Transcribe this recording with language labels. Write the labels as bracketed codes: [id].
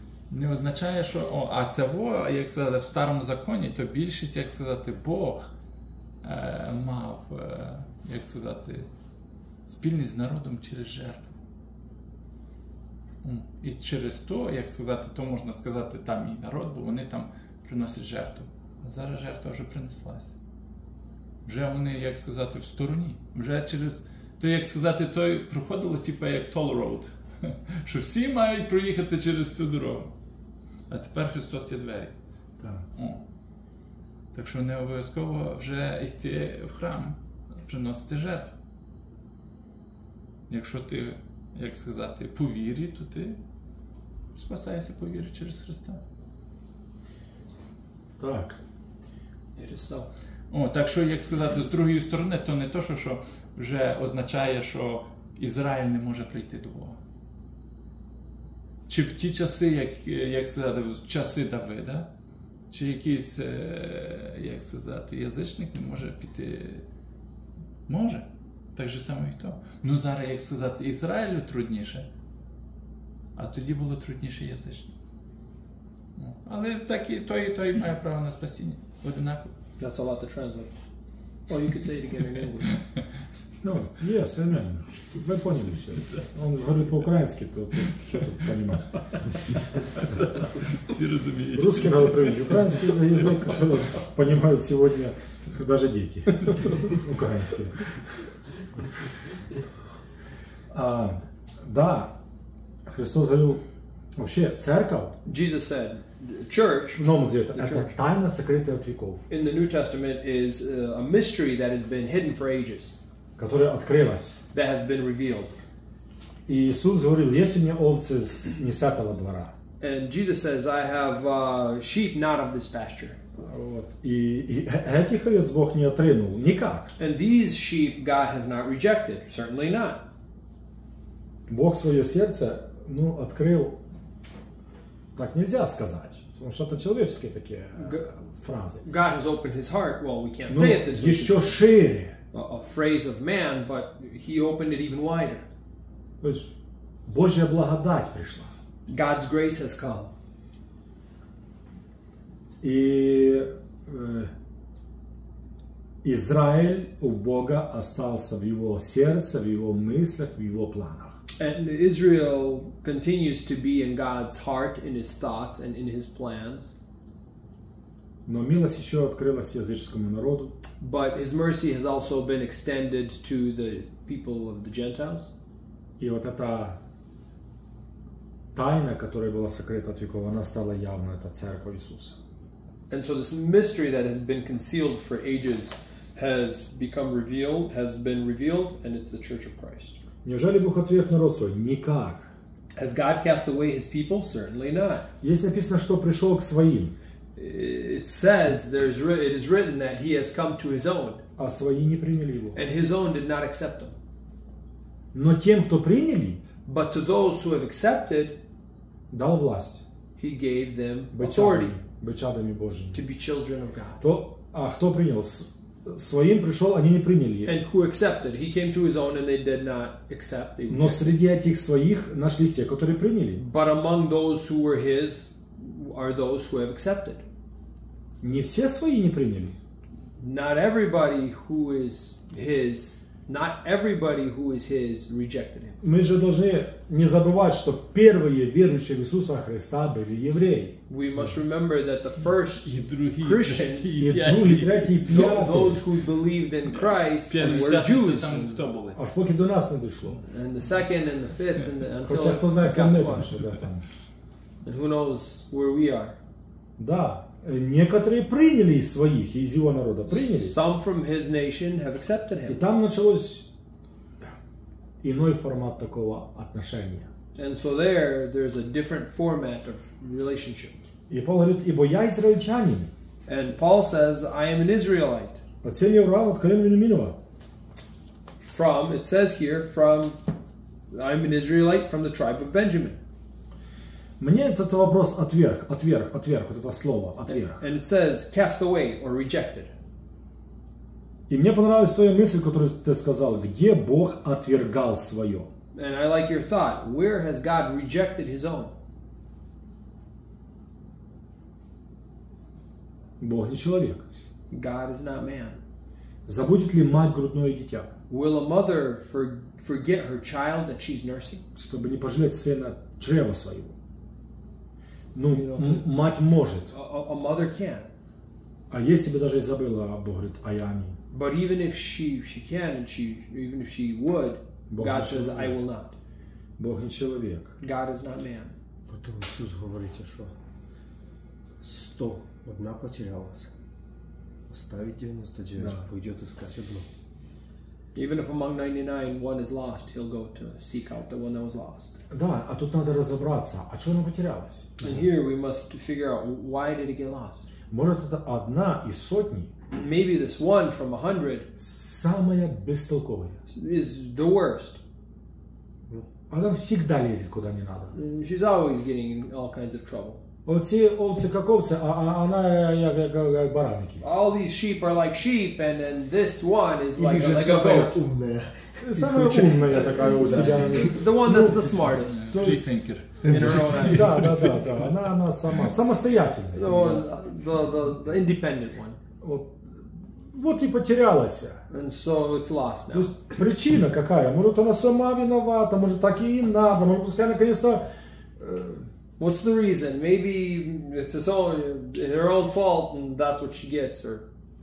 [uk] Не означає, що, о, а цього, як сказати, в старому законі, то більшість, як сказати, Бог мав, як сказати, спільність з народом через жертву. І через то, як сказати, то можна сказати, там і народ, бо вони там приносять жертву. А зараз жертва вже принеслася. Вже вони, як сказати, в стороні. Вже через, то, як сказати, той проходило, типу, як [en] toll road. [uk] Що всі мають проїхати через цю дорогу. А тепер Христос є двері. Так. О. Так що не обов'язково вже йти в храм, приносити жертву. Якщо ти, як сказати, по вірі, то ти спасаєшся по вірі через Христа. Так. [en] It is so. [uk] О, так що, як сказати, з другої сторони, то не то, що вже означає, що Ізраїль не може прийти до Бога. Чи в ті часи, як сказати, в часи Давида, чи якийсь, як сказати, язичник не може піти? Може. Так же само і то. Ну зараз, як сказати, Ізраїлю трудніше, а тоді було трудніше язичник. Ну, але так і той має право на спасіння. Одинаково. [en] That's a lot to translate. Or you could say it again in English. [uk] Ну, є, саме. Ми поняли все. Він говорить по-українськи, то що тут розуміють. Всі розуміють. Русські говорять, український язик розуміють сьогодні навіть діти. Українські. [ru] Да, Христос говорив, вообще, церковь. [en] Jesus said, church. [uk] В Новому Завіті. Це тайна, секрета від віков. [en] In the New Testament is a mystery that has been hidden for ages. [ru] Которая открылась. [en] That has been revealed. [ru] И Иисус говорил, есть у меня овцы не с этого двора. [en] And Jesus says, I have sheep not of this pasture. [ru] Вот. И этих овец Бог не отринул. Никак. [en] And these sheep God has not rejected. Certainly not. [ru] Бог свое сердце, ну, открыл. Так нельзя сказать. Потому что это человеческие такие фразы. [en] God has opened his heart. Well, we can't say it this way. [ru] Еще шире. [en] A phrase of man, but he opened it even wider. [ru] Божья благодать пришла. [en] God's grace has come. [ru] И Израиль у Бога остался в его сердце, в его мыслях, в его планах. [en] And Israel continues to be in God's heart, in his thoughts, and in his plans. [ru] Но милость еще открылась языческому народу. [en] But his mercy has also been extended to the people of the Gentiles. [ru] И вот эта тайна, которая была сокрыта от веков, она стала явна, это церковь Иисуса. [en] And so this mystery that has been concealed for ages has become revealed, has been revealed, and it's the Church of Christ. [ru] Неужели Бог отверг народ свой? Никак. [en] Has God cast away his people? Certainly not. [ru] Есть написано, что пришел к своим. [en] It says it is written that he has come to his own. [ru] А свои не приняли его. [en] And his own did not accept him. [ru] Но тем, кто приняли, [en] but to those who have accepted, [ru] дал власть. [en] He gave them authority. [ru] Быть чадами Божьими. [en] To be children of God. [ru] То, а кто принял? Своим пришел, они не приняли. [en] And who accepted? He came to his own and they did not accept. They [ru] но среди этих своих нашлись те, которые приняли. [en] But among those who were his are those who have accepted. [ru] Не все свои не приняли. [en] Not everybody who is his, not everybody who is his rejected him. [ru] Мы же должны не забывать, что первые верующие в Иисуса Христа были евреи. [en] We must remember that the first [ru] другие, [en] Christians, [ru] другие, третьи, пятые, [en] those who believed in Christ, were Jews. [uk] Аж поки до нас не дошло. [en] And the second and the fifth and the, until [ru] хотя кто знает, кто мне там еще, да, там. [en] And who knows where we are? [ru] Да, некоторые приняли из своих, из его народа приняли. [en] Some from his nation have accepted him. [ru] И там началось иной формат такого отношения. [en] And so there's a different format of relationship. [ru] И Павел говорит, ибо я израильтянин. [en] And Paul says, I am an Israelite. [ru] От сына Авраама, от колена Вениаминова. [en] From, it says here, from, I'm an Israelite from the tribe of Benjamin. [ru] Мне этот вопрос отверг, вот это слово, отверг. [en] And it says, cast away, or rejected. [ru] И мне понравилась твоя мысль, которую ты сказал, где Бог отвергал свое. [en] And I like your thought, where has God rejected his own? [ru] Бог не человек. [en] God is not man. [ru] Забудет ли мать грудное дитя? [en] Will a mother forget her child that she's nursing? [ru] Чтобы не пожалеть сына чрева своего. Ну, мать может. [en] A mother can. [ru] А если бы даже и забыла, Бог говорит, а я не. [en] But even if she can, and she even if she would, Бог God says, I will not. [ru] Бог не человек. [en] God is not man. [ru] Потом Иисус говорит, что 100 одна потерялась. Оставить 99, да. Пойдет искать одну. [en] Even if among 99 one is lost, he'll go to seek out the one that was lost. [ru] Да, а тут надо разобраться, а что она потерялась? [en] And here we must figure out why did it get lost. [ru] Может это одна из сотни? [en] Maybe this one from 100. [ru] Самая бестолковая. [en] Is the worst. [ru] Она всегда лезет куда не надо. [en] She's always getting in all kinds of trouble. [ru] Овцы, овцы как овцы, а она как бараники. [en] All these sheep are like sheep, and this one is like a goat. [ru] Или же самая умная. Самая умная такая у себя. [en] The one that's the smartest. Free thinker. [ru] Да. Она сама. Самостоятельная. [en] The independent one. [ru] Вот и потерялась. [en] And so it's lost now. [ru] То есть причина какая? Может, она сама виновата, может, так и им надо. Может, пускай наконец-то... [en] What's the reason? Maybe it's her own fault, and that's what she gets, or...